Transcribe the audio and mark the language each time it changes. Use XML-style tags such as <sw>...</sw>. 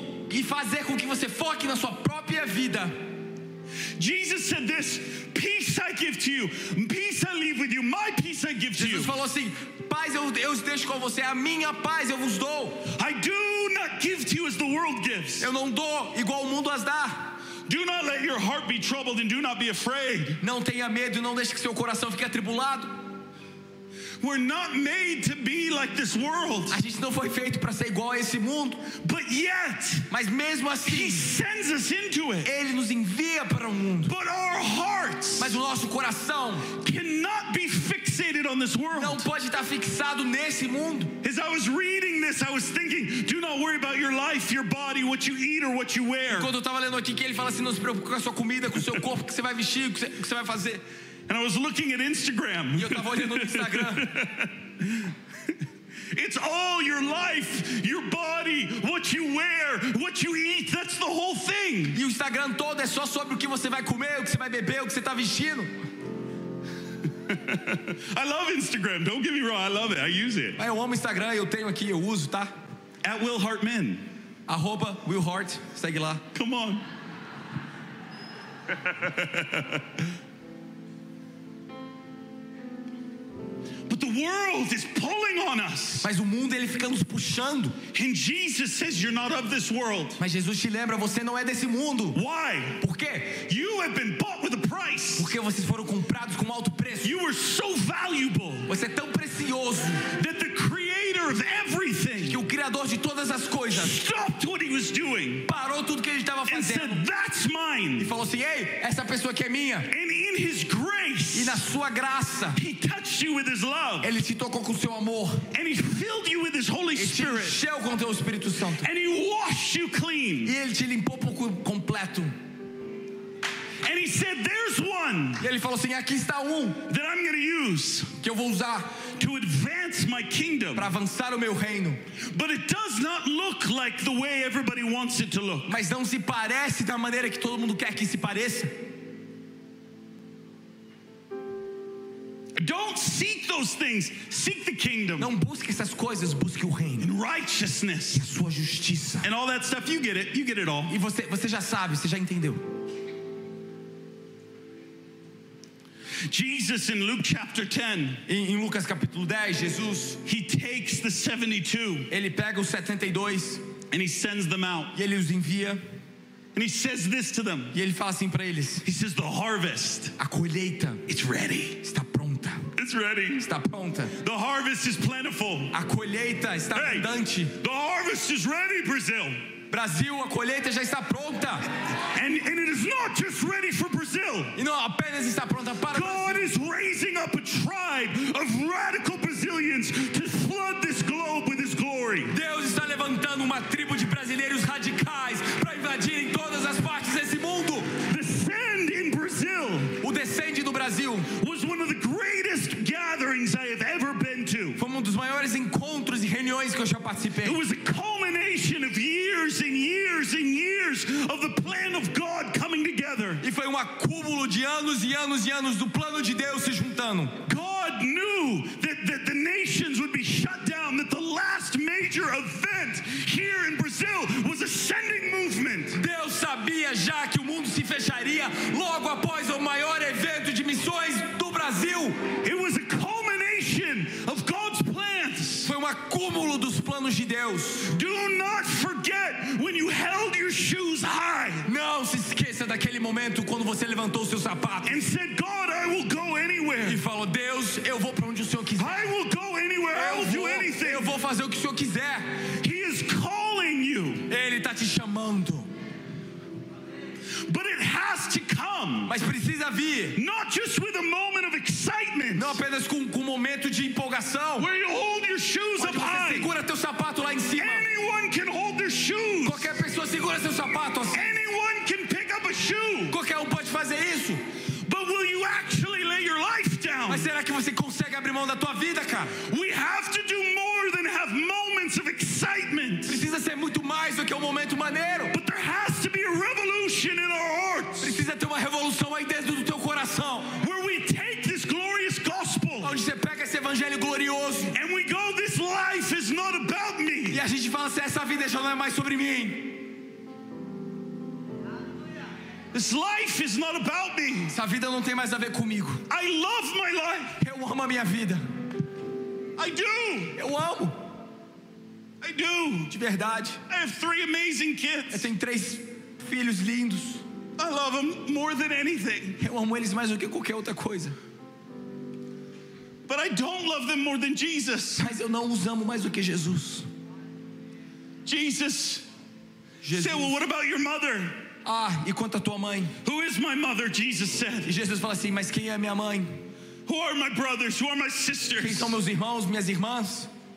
<pt>e fazer com que você foque na sua própria vida.</pt> <en>Jesus said this, peace I give to you, peace I leave with you, my peace I give to you.</en> <pt>Jesus falou assim, paz eu deixo com você, a minha paz eu vos dou.</pt> <en>I do not give to you as the world gives.</en> <pt>Eu não dou igual o mundo as dá.</pt> <en>Do not let your heart be troubled and do not be afraid.</en> <pt>Não tenha medo, não deixe que seu coração fique atribulado.</pt> <en>We're not made to be like this world.</en> <pt>A gente não foi feito para ser igual a esse mundo.</pt> <en>But yet,</en> <pt>mas mesmo assim,</pt> <en>He sends us into it.</en> <pt>Ele nos envia para o mundo.</pt> <en>But our hearts,</en> <pt>mas o nosso coração,</pt> <en>cannot be fixated on this world.</en> <pt>Não pode estar fixado nesse mundo.</pt> <en>As I was reading this, I was thinking, do not worry about your life, your body, what you eat or what you wear.</en> <pt>Quando eu estava lendo aqui, ele fala assim, não se preocupe com a sua comida, com o seu corpo, o que você vai vestir, o que você vai fazer.</pt> <en>And I was looking at Instagram.</en> <pt>Eu tava olhando no Instagram.</pt> <en>It's all your life, your body, what you wear, what you eat. That's the whole thing.</en> <pt>E o Instagram todo é só sobre o que você vai comer, o que você vai beber, o que você tá vestindo.</pt> <en>I love Instagram. Don't get me wrong. I love it. I use it.</en> <pt>Mas eu amo Instagram. Eu tenho aqui. Eu uso, tá?</pt> <en>At Will Hart Men.</en> <pt>@ Will Hart. Segue lá.</pt> <en>Come on. But the world is pulling on us.</en> <pt>Mas o mundo ele fica nos puxando.</pt> <en>And Jesus says you're not of this world.</en> <pt>Mas Jesus te lembra, você não é desse mundo.</pt> <en>Why?</en> <pt>Por quê?</pt> <en>You have been bought with a price.</en> <pt>Porque vocês foram comprados com alto preço.</pt> <en>You are so valuable.</en> <pt>Você é tão precioso.</pt> <en>That the creator of everything.</en> <pt>Que o criador de todas as coisas.</pt> <en>Stopped what he was doing.</en> <pt>Parou tudo que ele estava fazendo.</pt> <en>And said, that's mine.</en> <pt>E falou assim, ei, essa pessoa aqui é minha.</pt> <en>And in his grace.</en> <pt>E na sua graça.</pt> <en>He touched you with his love.</en> <pt>Ele te tocou com seu amor.</pt> <en>And he filled you with his Holy Spirit.</en> <pt>Ele te encheu com teu Espírito Santo.</pt> <en>And he washed you clean.</en> <pt>E ele te limpou por completo.</pt> <en>And he said, "There's one."</en> <pt>E ele falou assim, aqui está</pt> <en>that I'm going to use.</en> <pt>Que eu vou usar</pt> <en>to advance my kingdom.</en> <pt>Para avançar o meu reino.</pt> <en>But it does not look like the way everybody wants it to look.</en> <pt>Mas não se parece da maneira que todo mundo quer que se pareça.</pt> <en>Don't seek those things. Seek the kingdom.</en> <pt>Não busque essas coisas. Busque o reino.</pt> <en>And righteousness.</en> <pt>E a sua justiça.</pt> <en>And all that stuff. You get it. You get it all.</en> <pt>E você já sabe. Você já entendeu.</pt> <en>Jesus in Luke chapter 10.</en> <pt>Em Lucas capítulo 10, Jesus,</pt> <en>he takes the 72.</en> <pt>Ele pega os 72</pt> <en>and he sends them out.</en> <pt>E ele os envia.</pt> <en>And he says this to them.</en> <pt>E ele fala assim para eles.</pt> <en>He says the harvest.</en> <pt>A colheita.</pt> <en>It's ready.</en> <pt>Está pronta.</pt> <en>It's ready.</en> <pt>Está pronta.</pt> <en>The harvest is plentiful.</en> <pt>A colheita está abundante.</pt> <en>Hey, the harvest is ready, Brazil.</en> <pt>Brasil, a colheita já está pronta.</pt> <en>And it is not just ready for Brazil.</en> <pt>E não apenas está pronta para</pt> <en>God</en> <pt>Brasil.</pt> <en>Is raising up a tribe of radical Brazilians to flood this globe with his glory.</en> <pt>Deus está levantando uma tribo de brasileiros radicais para invadirem todas as partes desse mundo.</pt> <en>The send in Brazil.</en> <pt>O descende do Brasil.</pt> <en>Was one of the greatest gatherings I have ever been to.</en> <pt>Foi um dos maiores encontros e reuniões que eu já participei.</pt> <en>It was a culmination of years and years and years of the plan of God coming together.</en> <pt>E foi um acúmulo de anos e anos e anos do plano de Deus se juntando.</pt> <en>God knew that the nations would be shut down, that the last major event here in Brazil was a sending movement.</en> <pt>Deus sabia já que o mundo se fecharia logo após o maior evento de missões do Brasil.</pt> <en>It was a culmination of God's plans.</en> <pt>Foi um acúmulo dos planos de Deus.</pt> <en>Do not forget when you held your shoes high.</en> <pt>Não se esqueça daquele momento quando você levantou seu sapato.</pt> <en>And said, God, I will go anywhere.</en> <pt>E falou, Deus, eu vou para onde o Senhor quiser.</pt> <en>I will go anywhere. I will do anything.</en> <pt>Eu vou fazer o que o Senhor quiser.</pt> <en>He is calling you.</en> <pt>Ele está te chamando.</pt> <en>But it has to come.</en> <pt>Mas precisa vir.</pt> <en>Not just with a moment of excitement.</en> <pt>Não apenas com um momento de empolgação.</pt> <en>Where you hold your shoes up high.</en> <pt>Onde você segura teu sapato lá em cima.</pt> <en>Anyone can hold their shoes.</en> <pt>Qualquer pessoa segura seu sapato assim.</pt> <en>Anyone can pick up a shoe.</en> <pt>Qualquer pode fazer isso.</pt> <en>But will you actually lay your life down?</en> <pt>Mas será que você consegue abrir mão da tua vida, cara?</pt> <en>We have to do more than have moments of excitement.</en> <pt>Precisa ser muito mais do que um momento maneiro.</pt> <en>But there has to be a revolution in our hearts.</en> <pt>Precisa ter uma revolução aí dentro do teu coração.</pt> <en>Where we take this glorious gospel.</en> <pt>Onde você pega esse evangelho glorioso.</pt> <en>And we go, this life is not about me.</en> <pt>E a gente fala assim, essa vida já não é mais sobre mim.</pt> <en>This life is not about me.</en> <pt>Essa vida não tem mais a ver comigo.</pt> <en>I love my life.</en> <pt>Eu amo a minha vida.</pt> <en>I do.</en> <pt>Eu amo.</pt> <en>I do.</en> <pt>De verdade.</pt> <en>I have three amazing kids.</en> <pt>Eu tenho três filhos lindos.</pt> <en>I love them more than anything.</en> <pt>Eu amo eles mais do que qualquer outra coisa.</pt> <en>But I don't love them more than Jesus.</en> <pt>Mas eu não os amo mais do que Jesus.</pt> <en>Jesus.</en> <pt>Jesus.</pt> <en>Say, well, what about your mother?</en> <pt>Ah, e quanto à tua mãe?</pt> <en>Who is my mother? Jesus said.</en> <pt>E Jesus fala assim, mas quem é minha mãe?</pt> <en>Who are my brothers? Who are my sisters?</en> <pt>Quem são meus irmãos, minhas irmãs?</pt>